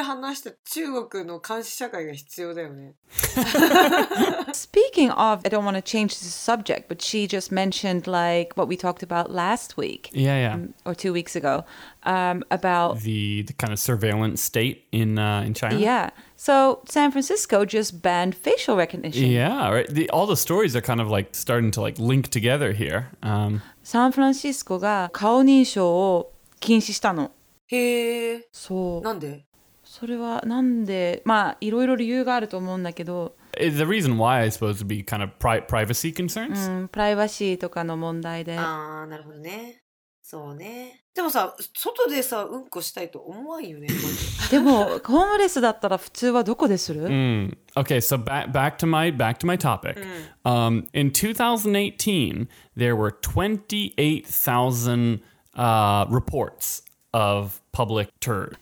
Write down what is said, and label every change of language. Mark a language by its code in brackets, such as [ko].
[ja] そこが不思議だよね。道端でうんこするってこと？ホームレスが。そこはさ、この先週話した中国の監視社会が必要だよね。 [en] Speaking of, I don't want to change the subject, but she just mentioned like what we talked about last week. Yeah, yeah. Or 2 weeks ago. About the kind of surveillance state in China. Yeah. So San Francisco just banned facial recognition. Yeah, right. All the stories are kind of like starting to like link together here. [ja] San Francisco が 顔認証を禁止したの。へー。そう。なんで？それはなんで、まあ、いろいろ理由があると思うんだけど。 [en] The reason why I suppose would be kind of privacy concerns. [ja] Privacy とかの問題で。ああ、なるほどね。そうね。でもさ、外でさ、うんこしたいと思わんよね。でも、ホームレスだったら普通はどこでする？ [en] うん。Okay, so back to my topic. In 2018, there were 28,000reports of public turd.